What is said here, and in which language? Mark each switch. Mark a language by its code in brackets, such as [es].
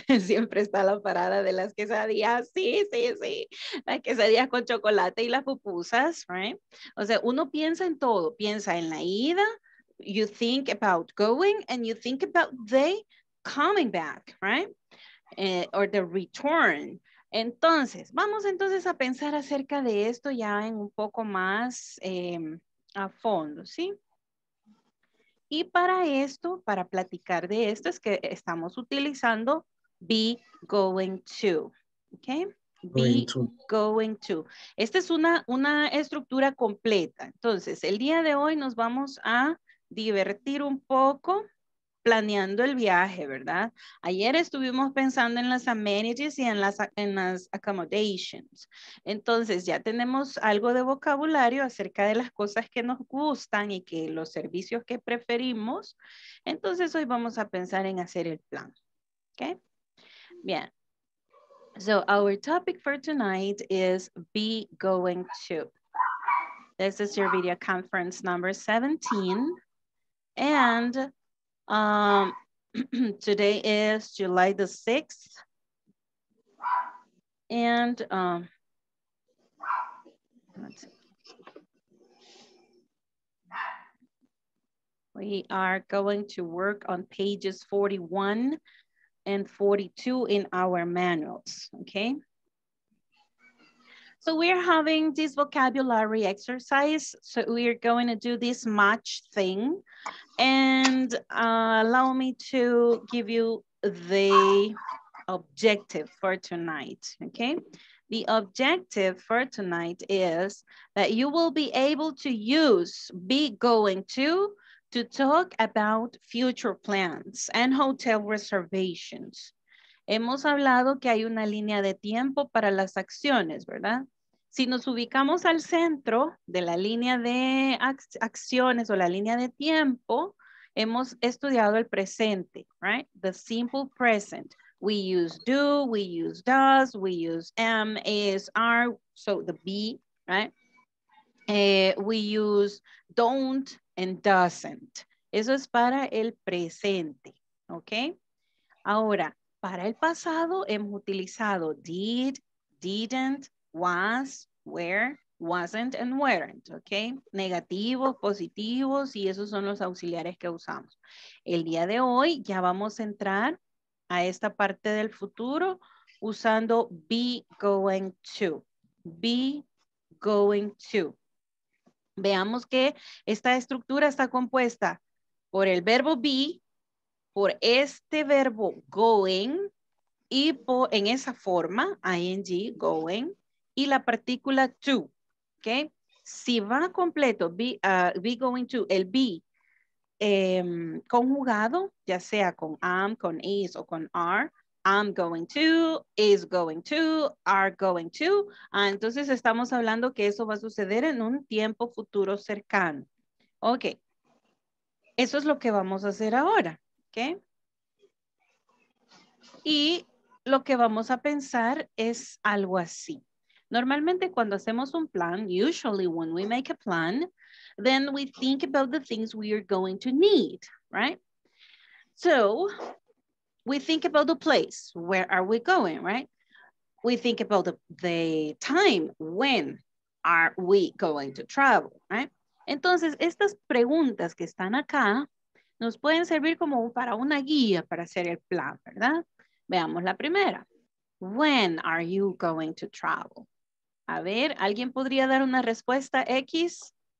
[es] Siempre está la parada de las quesadillas. Sí, sí, sí. Las quesadillas con chocolate y las pupusas, [en] right? [es] O sea, uno piensa en todo. Piensa en la ida. [en] You think about going and you think about they coming back, right? Or the return. [es] Entonces, vamos entonces a pensar acerca de esto ya en un poco más a fondo, ¿sí? Y para esto, para platicar de esto, es que estamos utilizando [en] be going to, [es] ¿ok? [en] Be going to. [es] Esta es una estructura completa. Entonces, el día de hoy nos vamos a divertir un poco planeando el viaje, ¿verdad? Ayer estuvimos pensando en las amenities y en las accommodations. Entonces, ya tenemos algo de vocabulario acerca de las cosas que nos gustan y que los servicios que preferimos. Entonces, hoy vamos a pensar en hacer el plan. ¿Ok? Bien. [en] So, our topic for tonight is be going to. This is your video conference number 17. And today is July the 6th. And we are going to work on pages 41 and 42 in our manuals, okay? So we're having this vocabulary exercise. So we are going to do this match thing. And allow me to give you the objective for tonight, okay? The objective for tonight is that you will be able to use be going to talk about future plans and hotel reservations. [es] Hemos hablado que hay una línea de tiempo para las acciones, ¿verdad? Si nos ubicamos al centro de la línea de acciones o la línea de tiempo, hemos estudiado el presente, [en] right? The simple present. We use do, we use does, we use am, is, are, so the be, right? We use don't and doesn't. [es] Eso es para el presente, okay? Ahora, para el pasado hemos utilizado [en] did, didn't, was, where, wasn't, and weren't, [es] okay? Negativos, positivos, y esos son los auxiliares que usamos. El día de hoy ya vamos a entrar a esta parte del futuro usando be going to. [en] Be going to. [es] Veamos que esta estructura está compuesta por el verbo be, por este verbo going, y por, en esa forma, ing, going, y la partícula to, okay? Si va completo, be going to, el be conjugado, ya sea con am, con is o con are, [en] I'm going to, is going to, [es] are going to, entonces estamos hablando que eso va a suceder en un tiempo futuro cercano. Ok, eso es lo que vamos a hacer ahora, ok? Y lo que vamos a pensar es algo así. Normalmente cuando hacemos un plan, [en] usually when we make a plan, then we think about the things we are going to need, right? So, we think about the place, where are we going, right? We think about the time, when are we going to travel, right? [es] Entonces, estas preguntas que están acá nos pueden servir como para una guía para hacer el plan, ¿verdad? Veamos la primera. [en] When are you going to travel? [es] A ver, ¿alguien podría dar una respuesta X?